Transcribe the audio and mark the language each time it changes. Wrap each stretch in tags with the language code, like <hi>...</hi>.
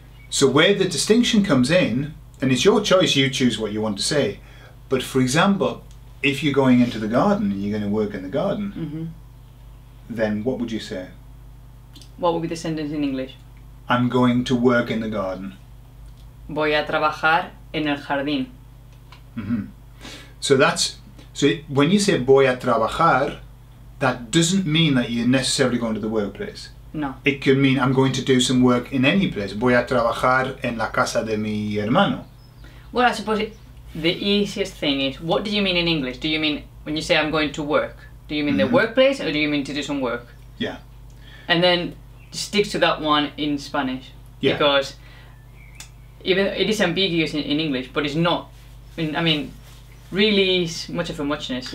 <en>So where the distinction comes in, and it's your choice, you choose what you want to say. But for example, if you're going into the garden and you're going to work in the garden, mm-hmm. Then what would you say? What would be the sentence in English? I'm going to work in the garden.</en> <es>Voy a trabajar en el jardín.</es> <en>Mm-hmm. So when you say</en> <es>voy a trabajar,</es> <en>that doesn't mean that you're necessarily going to the workplace. No. It could mean I'm going to do some work in any place.</en> <es>Voy a trabajar en la casa de mi hermano.</es> <en>Well, I suppose the easiest thing is, what do you mean in English? Do you mean, when you say I'm going to work, do you mean mm-hmm. The workplace or do you mean to do some work? Yeah. And then stick to that one in Spanish. Yeah. Because even it is ambiguous in English, but it's not, really is much of a muchness.</en>